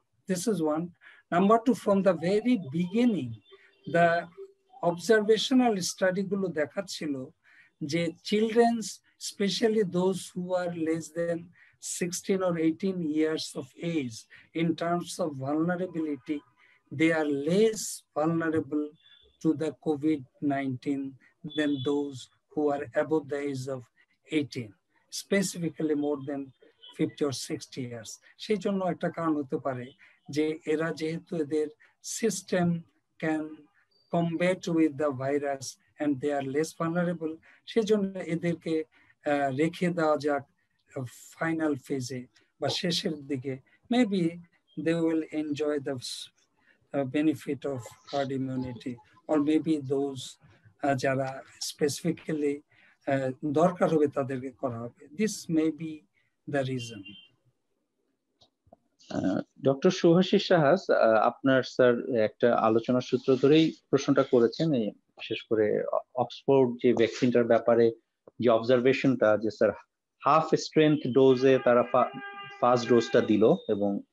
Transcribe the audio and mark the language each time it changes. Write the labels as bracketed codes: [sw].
[en] this is one number two, from the very beginning the observational study [bn] গুলো দেখাচ্ছিল যে [en] Childrens specially those who are less than 16 or 18 years of age in terms of vulnerability they are less vulnerable to the covid 19 than those who are above the age of 18, specifically more than 50 or 60 years. [bn] সেই জন্য একটা কারণ হতে পারে যে এরা যেহেতু এদের [en] system can combat with the virus and they are less vulnerable, [bn] সেই জন্য এদেরকে রেখে দেওয়া যাক final phase বা শেষের দিকে. [en] Maybe they will enjoy the benefit of herd immunity, or maybe those [bn] যারা specifically দরকার হবে তাদেরকে করা হবে. [en] This may be the reason. Dr. [bn] Shubhashish Shahas, আপনার স্যার একটা আলোচনার সূত্র ধরেই প্রশ্নটা করেছেন, বিশেষ করে অক্সফোর্ড যে ভ্যাকসিনটার ব্যাপারে যে অবজারভেশনটা যে স্যার হাফ স্ট্রেংথ ডোজে তারা ফার্স্ট ডোজটা দিল এবং